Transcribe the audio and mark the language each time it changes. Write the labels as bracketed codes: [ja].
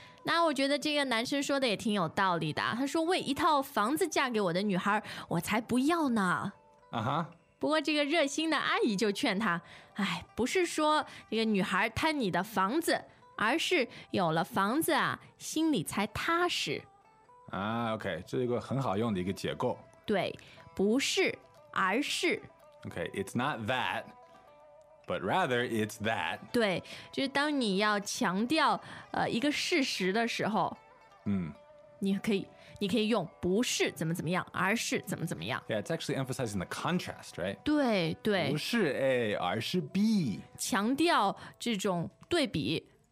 [zh] 那我觉得这个男生说的也挺有道理的。他说为一套房子嫁给我的女孩，我才不要呢。啊哈。不过这个热心的阿姨就劝他，哎，不是说这个女孩贪你的房子，而是有了房子啊，心里才踏实。啊 ，OK， 这是一个很好用的一个结构。对，不是，而是。 [en] OK， it's not that， but rather it's that。 [zh] 对，就是当你要强调一个事实的时候，嗯，你可以用不是怎么怎么样，而是怎么怎么样。 [en] Yeah, it's actually emphasizing the contrast, right? [zh] 对对。不是 A, 而是 B。强调这种对比。